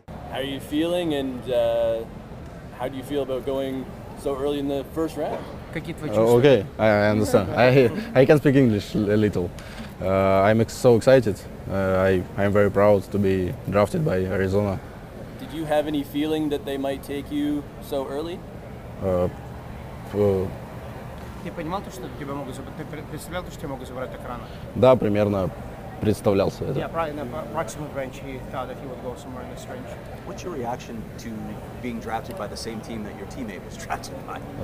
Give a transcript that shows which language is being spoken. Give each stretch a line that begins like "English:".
English: How are you feeling and how do you feel about going so early in the first round? Okay, I understand. I can speak English a little. I'm so excited. I'm very proud to be drafted by Arizona. Did you have any feeling that they might take you so early?
Russian: Ты понимал то, что тебя могут забрать? Ты представлял то, что тебя могут забрать так рано? Да, примерно представлял себе это.
English: Yeah, probably in the proximal range, he thought that he would go somewhere in this range. What's your reaction to being drafted by the same team that your teammate was drafted by?